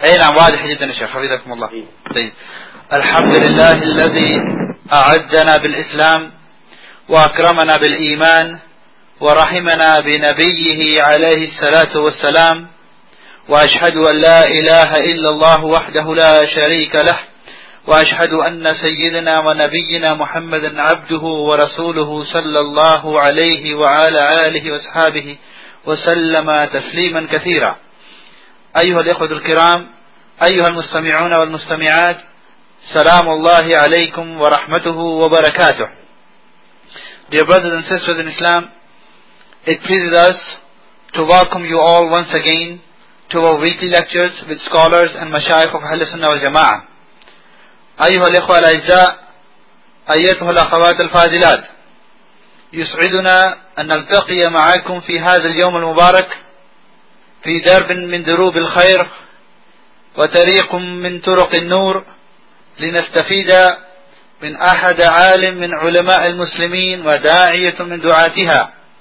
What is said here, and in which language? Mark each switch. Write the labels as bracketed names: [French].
[Arabic] أي نعم واضح جدا يا شيخ حفظكم الله. طيب الحمد لله الذي أعدنا بالإسلام وأكرمنا بالإيمان ورحمنا بنبيه عليه الصلاة والسلام وأشهد أن لا إله إلا الله وحده لا شريك له وأشهد أن سيدنا ونبينا محمدا عبده ورسوله صلى الله عليه وعلى آله وأصحابه وسلم تسليما كثيرا. أيها الإخوة الكرام، أيها المستمعون والمستمعات، سلام الله عليكم ورحمته وبركاته. [English] Dear brothers and sisters in Islam, it pleases us to welcome you all once again to our weekly lectures with scholars and mashayikh of Ahl Sunnah wal Jama'ah. [Arabic] أيها الإخوة الأعزاء، أيتها الأخوات الفاضلات، يسعدنا أن نلتقي معكم في هذا اليوم المبارك في درب من دروب الخير وطريق من طرق النور لنستفيد من أحد عالم من علماء المسلمين وداعية من دعاتها.